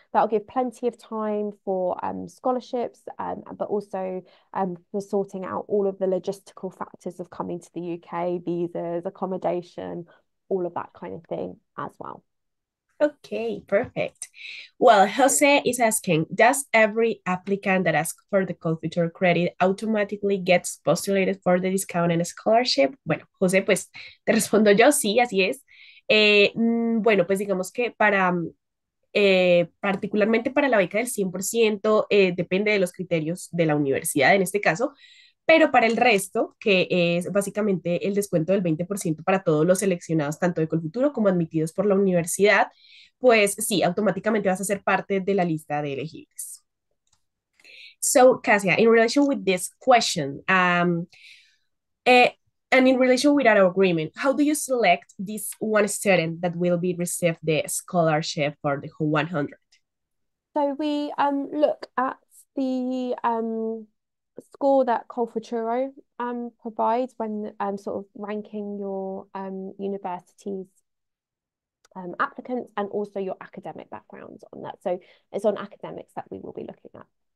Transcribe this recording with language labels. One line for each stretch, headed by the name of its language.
English: That'll give plenty of time for scholarships, but also for sorting out all of the logistical factors of coming to the UK, visas, accommodation, all of that kind of thing as well. Okay, perfect. Well, Jose is asking, does every applicant that asks for the COLFUTURO credit automatically gets postulated for the discount and scholarship?
Spanish: Bueno, Jose, pues te respondo yo, sí, así es. Bueno, pues digamos que para, particularmente para la beca del 100%, depende de los criterios de la universidad en este caso, pero para el resto, que es básicamente el descuento del 20% para todos los seleccionados, tanto de COLFUTURO como admitidos por la universidad, pues sí, automáticamente vas a ser parte de la lista de elegibles.
English: So, Cassia, in relation with this question, and in relation with our agreement, how do you select this one student that will be received the scholarship for the whole 100? So we look at the score that COLFUTURO provides when sort of ranking your university's applicants and also your academic backgrounds on that. So it's on academics that we will be looking at.